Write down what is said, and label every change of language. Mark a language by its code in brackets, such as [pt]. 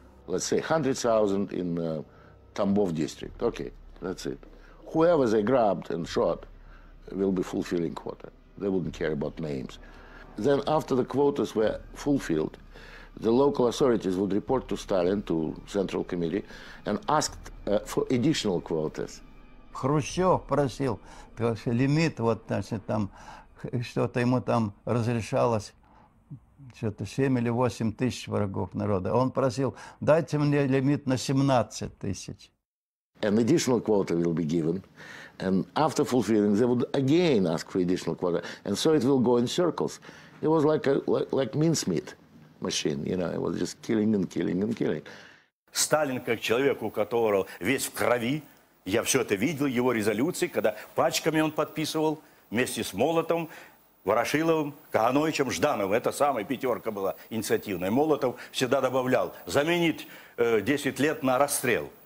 [en] Let's say 100,000 in Tambov district. Okay, that's it. Whoever they grabbed and shot will be fulfilling quota. They wouldn't care about names. Then after the quotas were fulfilled, the local authorities would report to Stalin, to Central Committee, and asked for additional quotas. [ru] Хрущев просил, потому что лимит, вот, значит, там, что-то ему там разрешалось, что-то 7 или 8 тысяч врагов народа. Он просил, дайте мне лимит на 17 тысяч. [en] An additional quota will be given, and after fulfilling, they would again ask for additional quota, and so it will go in circles. It was like mincemeat machine, you know, it was just killing and killing and killing. [ru] Сталин, как человек, у которого весь в крови, я все это видел, его резолюции, когда пачками он подписывал, вместе с Молотовым, Ворошиловым, Кагановичем, Ждановым. Это самая пятерка была инициативная. Молотов всегда добавлял, заменить 10 лет на расстрел.